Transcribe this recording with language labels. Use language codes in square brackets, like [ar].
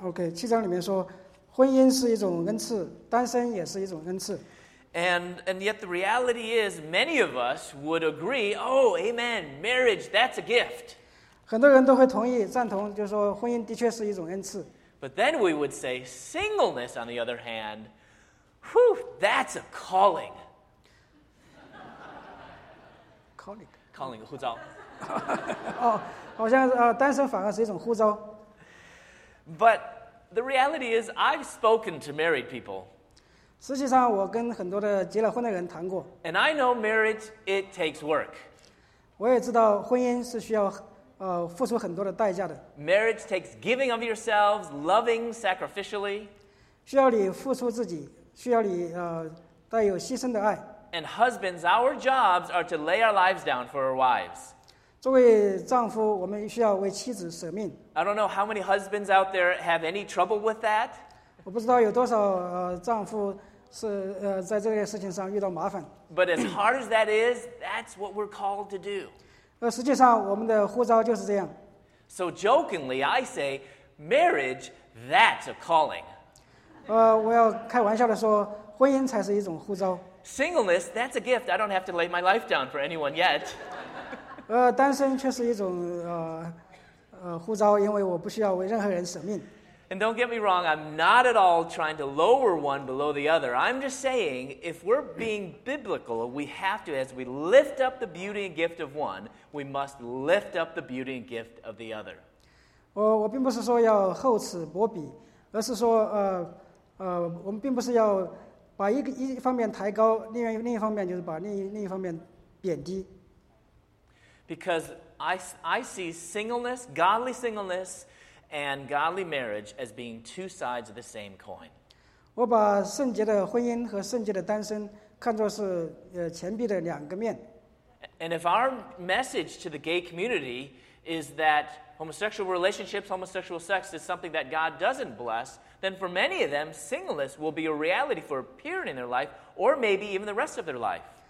[zh] OK 七章里面说婚姻是一种恩赐，单身也是一种恩赐。 [en] And yet the reality is many of us would agree, oh amen, marriage, that's a gift. [zh] 很多人都会同意赞同，就是说婚姻的确是一种恩赐。 [en] But then we would say singleness on the other hand,Whew, that's a calling. Calling, [zh] 呼召。哦，好像单身反而是一种呼召。 [en] But the reality is, I've spoken to married people. [zh] 实际上，我跟很多的结了婚的人谈过。 [en] And I know marriage, it takes work. [zh] 我也知道婚姻是需要付出很多的代价的。 [en] Marriage takes giving of yourselves, loving sacrificially. [zh] 需要你付出自己。需要你带有牺牲的爱。 [en] And husbands, our jobs are to lay our lives down for our wives. [zh] 作为丈夫，我们需要为妻子舍命。 [en] I don't know how many husbands out there have any trouble with that. [zh] 我不知道有多少丈夫是在这个事情上遇到麻烦。 [en] But as hard as that is, that's what we're called to do. [zh] 实际上我们的呼召就是这样。 [en] So jokingly, I say, marriage, that's a calling. [zh] 我要开玩笑的说，婚姻才是一种呼召。 [en] Singleness, that's a gift. I don't have to lay my life down for anyone yet. [zh] 单身却是一种呼召，因为我不需要为任何人舍命。 [en] And don't get me wrong, I'm not at all trying to lower one below the other. I'm just saying, if we're being biblical, we have to, as we lift up the beauty and gift of one, we must lift up the beauty and gift of the other. [zh] 我并不是说要厚此薄彼，而是说我们并不是要把一方面抬高，另一方面就是把另一方面贬低。 [en] Because I see singleness, godly singleness, and godly marriage as being two sides of the same coin. [zh] 我把圣洁的婚姻和圣洁的单身看作是钱币的两个面。 [en] And if our message to the gay community is that homosexual relationships, homosexual sex is something that God doesn't bless,then for many of them, singleness will be a reality for a period in their life or maybe even the rest of their life.